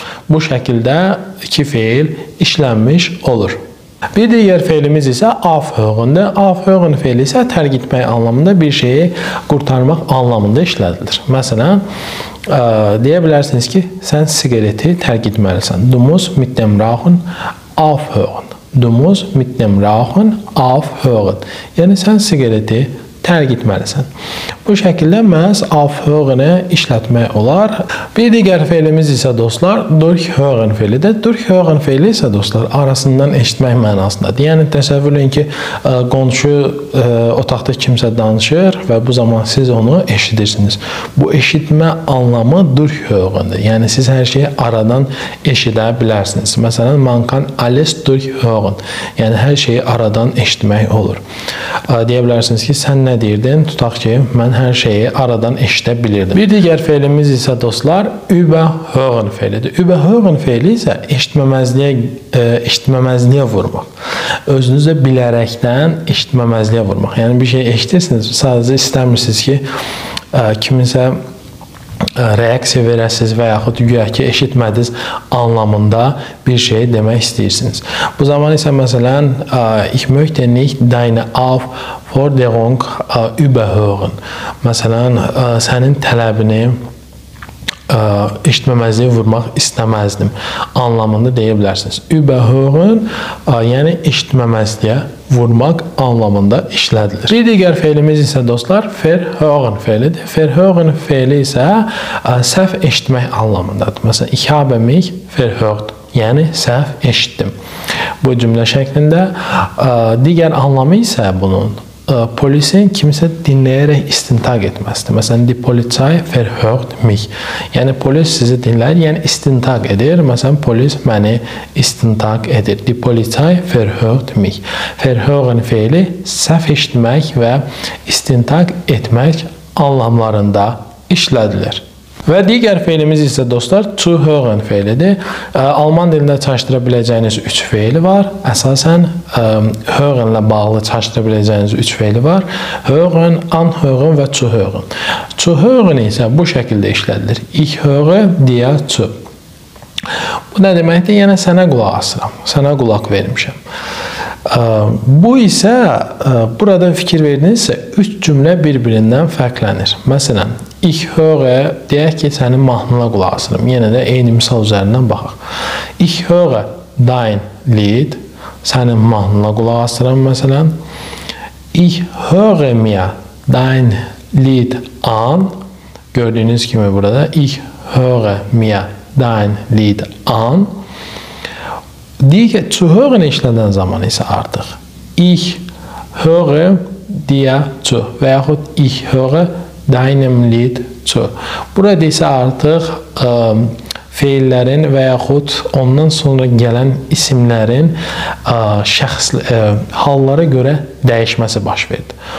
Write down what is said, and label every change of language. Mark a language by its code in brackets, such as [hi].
[az] Bu şəkildə iki feil işlənmiş olur. Bir digər feilimiz isə aufhören-dür. Aufhören feili isə tərk etmək anlamında, bir şeyi qurtarmaq anlamında işlədilir. Məsələn, deyə bilərsiniz ki, sən sigareti tərk etməlisən. [de] Du musst mit dem Rauchen aufhören. Du musst mit dem Rauchen aufhören. [az] Yəni, sən sigareti tərk etməlisən. Bu şəkildə məhz aufhören-ı işlətmək olar. Bir digər feilimiz isə dostlar, durchhören feilidir. Durchhören feili isə dostlar, arasından eşitmək mənasındadır. Yəni, təsəvvürün ki, qonşu otaqda kimsə danışır və bu zaman siz onu eşidirsiniz. Bu eşitmə anlamı durchhören-dir. Yəni, siz hər şeyi aradan eşidə bilərsiniz. Məsələn, [de] man kann alles durchhören. [az] Yəni, hər şeyi aradan eşitmək olur. Deyə bilərsiniz ki, sən nə deyirdin? Tutaq ki, mən hər şeyi aradan eşidə bilirdim. Bir digər feilimiz isə dostlar, überhören feilidir. Überhören feili isə eşitməməzliyə vurmaq. Özünüzü bilərəkdən eşitməməzliyə vurmaq. Yəni, bir şey eşitirsiniz, sadəcə istəmirsiniz ki, kiminsə reaksiya verəsiniz və yaxud güya ki, eşitmədiniz anlamında bir şey demək istəyirsiniz. Bu zaman isə məsələn, [de] ich möchte nicht deine Aufforderung überhören. [az] Məsələn, sənin tələbini eşitməməzliyə vurmaq istəməzdim anlamında deyə bilərsiniz. Überhören, yəni eşitməməzliyə vurmaq anlamında işlədilir. Bir digər feilimiz isə dostlar, verhören feilidir. Verhören feili isə səhv eşitmək anlamındadır. Məsələn, [de] ich habe mich verhört, [az] yəni səhv eşitdim. Bu cümlə şəklində digər anlamı isə bunun polisin kimsə dinləyərək istintaq etməsidir. Məsələn, [de] die Polizei verhört mich. [az] Yəni, polis sizi dinlər, yəni istintaq edir. Məsələn, polis məni istintaq edir. [de] Die Polizei verhört mich. [az] Verhören feili səhv eşitmək və istintaq etmək anlamlarında işlədilir. Və digər feilimiz isə dostlar, zu hören feilidir. Alman dilində çaşdıra biləcəyiniz 3 feili var. Əsasən, hören ilə bağlı çaşdıra biləcəyiniz 3 feili var. Hören, an hören və zu hören. Zu hören isə bu şəkildə işlədilir. [de] Ich höre dir zu. [az] Bu nə deməkdir? Yəni, sənə qulaq asıram, sənə qulaq vermişəm. Bu isə, burada fikir verdinizsə, 3 cümlə bir-birindən fərqlənir. Məsələn, ich höre, deyək ki, sənin mahnına qulaq asırım. Yenə də eyni misal üzərindən baxaq. [de] Ich höre dein Lied, [az] sənin mahnına qulaq asırım, məsələn. [de] Ich höre mir dein Lied an, [az] gördüyünüz kimi burada, [de] ich höre mir dein Lied an. [az] Deyək ki, zu hören işlədən zaman isə artıq. [de] Ich höre dir zu [az] və yaxud [de] ich höre deinem Lied zu. [az] Burada isə artıq feillərin və yaxud ondan sonra gələn isimlərin hallara görə dəyişməsi baş verdi.